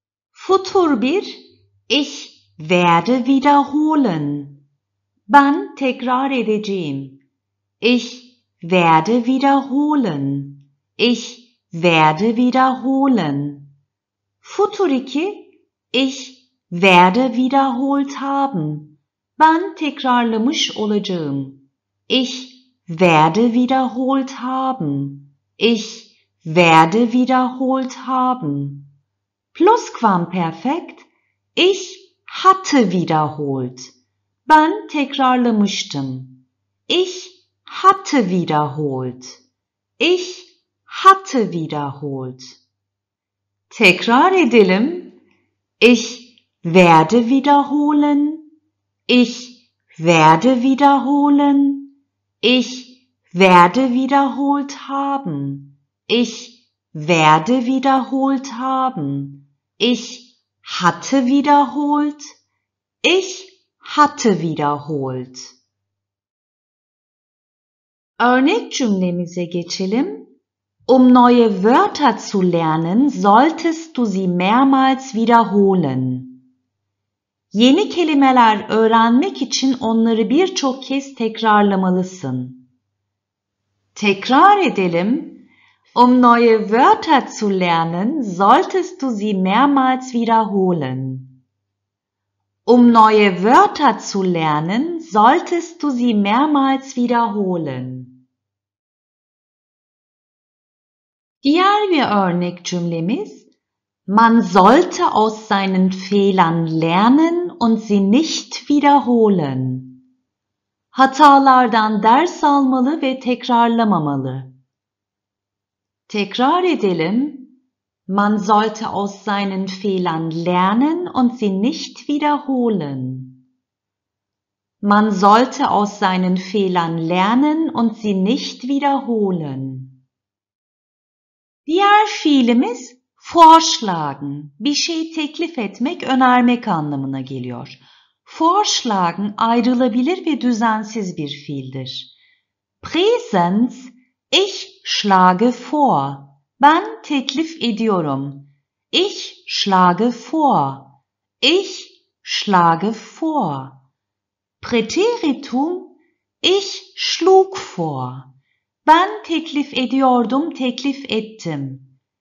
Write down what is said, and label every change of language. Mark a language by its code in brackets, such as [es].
[de] Futur bir. Ich werde wiederholen. [tr] Ben tekrar edeceğim. [de] Ich werde wiederholen. Ich werde wiederholen. [tr] Futur iki. [de] Ich werde wiederholt haben. [tr] Ben tekrarlamış olacağım. [de] Ich werde wiederholt haben. Ich werde wiederholt haben. Plusquamperfekt. Ich hatte wiederholt. [tr] Ben tekrarlamıştım. [de] Ich hatte wiederholt. Ich hatte wiederholt. [tr] Tekrar edelim. [de] Ich werde wiederholen. Ich werde wiederholen. Ich werde wiederholt haben. Ich werde wiederholt haben. Ich hatte wiederholt. Ich hatte wiederholt. [tr] Örnek cümlemize geçelim. [de] Um neue Wörter zu lernen, solltest du sie mehrmals wiederholen. [tr] Yeni kelimeler öğrenmek için onları birçok kez tekrarlamalısın. Tekrar edelim. [de] Um neue Wörter zu lernen, solltest du sie mehrmals wiederholen. Um neue Wörter zu lernen, solltest du sie mehrmals wiederholen. [tr] Diğer bir örnek cümlemiz. [de] Man sollte aus seinen Fehlern lernen und sie nicht wiederholen. [tr] Hatalardan ders almalı ve tekrarlamamalı. Tekrar edelim. [de] Man sollte aus seinen Fehlern lernen und sie nicht wiederholen. Man sollte aus seinen Fehlern lernen und sie nicht wiederholen. [tr] Diğer fiilimiz vorschlagen, bir şey teklif etmek, önermek anlamına geliyor. Vorschlagen ayrılabilir ve düzensiz bir fiildir. [de] Präsens, ich schlage vor. [tr] Ben teklif ediyorum. [de] Ich schlage vor. Ich schlage vor. Präteritum, ich schlug vor. [tr] Ben teklif ediyordum, teklif ettim.